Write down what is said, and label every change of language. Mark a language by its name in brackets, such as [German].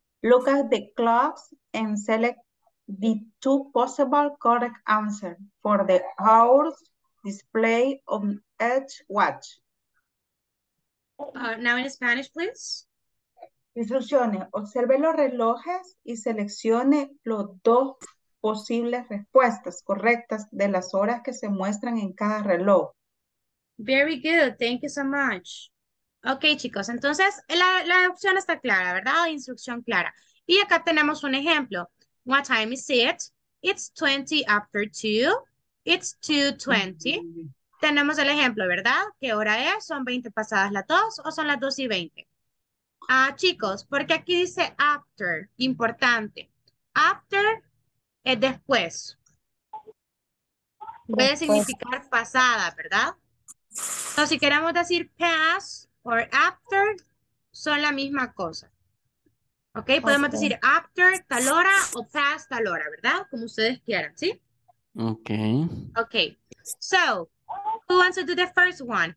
[English] Look at the clocks and select the two possible correct answers for the hours display on each watch. Now in Spanish, please. [Spanish] Instrucciones. Observe los relojes y seleccione los dos posibles respuestas correctas de las horas que se muestran en cada reloj. [English] Very good. Thank you so much. Okay, chicos. [Spanish] Entonces, la opción está clara, ¿verdad? Instrucción clara. Y acá tenemos un ejemplo. [English] What time is it? It's 20 after 2. It's 2:20. [Spanish] Tenemos el ejemplo, ¿verdad? ¿Qué hora es? ¿Son 20 pasadas las 2 o son las 2:20? Chicos, porque aquí dice after, importante. After es después. Puede significar pasada, ¿verdad? Entonces, si queremos decir past o after, son la misma cosa. ¿Ok? Podemos decir after tal hora o past tal hora, ¿verdad? Como ustedes quieran, ¿sí? Ok. Ok. [English] So, who wants to do the first one?